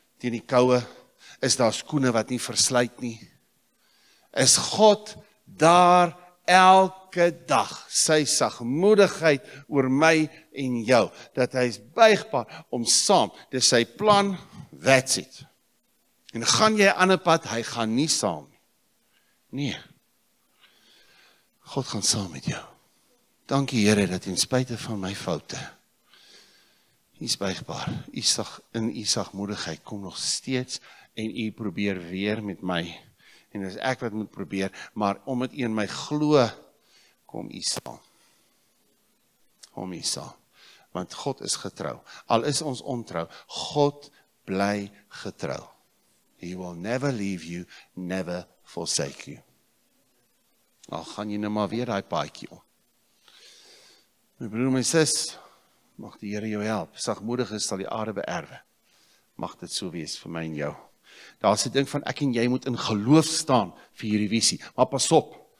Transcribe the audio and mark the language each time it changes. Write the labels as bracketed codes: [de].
[af] In die kouwe, is daar skoene wat nie versluit nie. Is God daar elke dag, sy sagmoedigheid oor my en jou, dat hy is buigbaar om saam, dis sy plan, [en] that's it. [af] En gaan jy aan die pad, hy gaan nie saam. Nee. God gaan saam met jou. Dankie Here, dat [en] in spite [af] van my foute, U is buigbaar, in u sagmoedigheid kom nog steeds en u probeer weer met my. En dis ek wat moet probeer, maar omdat u in my glo, kom u saam. Kom u saam. Want God is getrou. Al is ons ontrou, God bly getrou. [en] He will never leave you, never forsake you. [af] Al gaan jy nou maar weer die paadjie om. My broer, my sis, mag die Heere jou help. Sagmoedig is, sal die aarde beerwe. Mag dit so wees vir my en jou. Daar is die ding van, ek en jy moet in geloof staan vir hierdie visie. Maar pas op,